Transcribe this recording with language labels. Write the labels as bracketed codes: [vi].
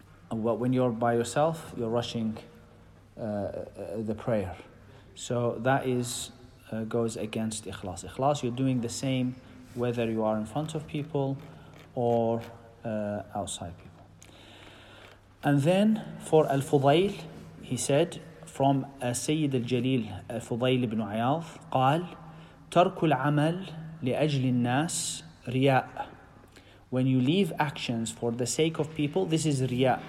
[en] But when you're by yourself, you're rushing the prayer. So that is goes against ikhlas. Ikhlas, you're doing the same whether you are in front of people or outside people. And then for Al-Fudayl, he said, from [ar] سيد الجليل فضيل بن عياض قال ترك العمل لأجل الناس رياء. [en] When you leave actions for the sake of people, this is رياء.